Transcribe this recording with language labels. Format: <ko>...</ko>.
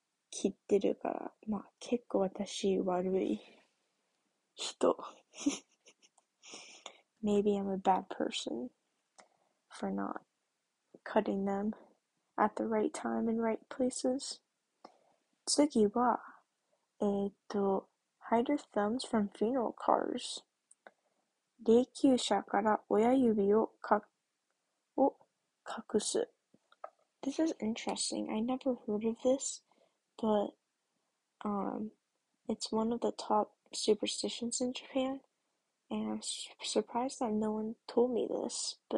<ja>切ってるから、まあ結構私悪い人。</ja> <en>Maybe I'm a bad person for not cutting them at the right time and right places.</en> <ja>次は、</ja> <en>hide your thumbs from funeral cars.</en> <ja>霊柩車から親指をか、隠す。</ja> <en>This is interesting. I never heard of this, but it's one of the top superstitions in Japan, and I'm surprised that no one told me this.</en>